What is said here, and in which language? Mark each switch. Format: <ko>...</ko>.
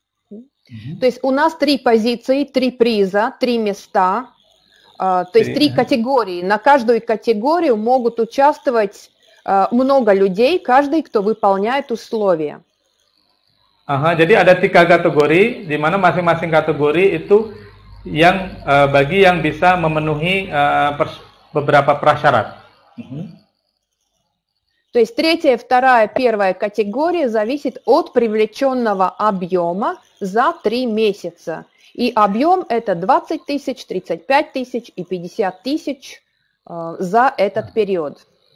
<ru>То есть у нас три позиции, три приза, три места, то есть три категории. На каждую категорию могут участвовать много людей, каждый, кто выполняет условия.</ru> <id>Ага, jadi ada tiga kategori, di mana masing-masing kategori itu yang bagi yang bisa memenuhi beberapa prasyarat.</id> <ru>То есть третья, вторая, первая категория зависит от привлеченного объема за три месяца. И объем это 20 тысяч, 35 тысяч и 50 тысяч за этот период.</ru>